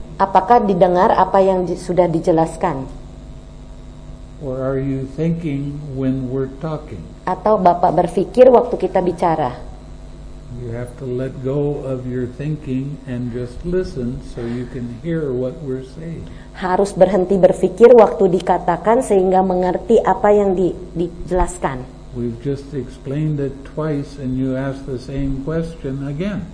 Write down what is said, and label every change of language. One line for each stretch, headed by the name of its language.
Indonesian: Apakah didengar apa yang sudah dijelaskan?
English: Or are you thinking when we're talking?
Indonesian: Atau Bapak berpikir waktu kita bicara?
English: You have to let go of your thinking and just listen so you can hear what we're saying.
Indonesian: Harus berhenti berpikir waktu dikatakan sehingga mengerti apa yang dijelaskan.
English: We've just explained it twice and you ask the same question again.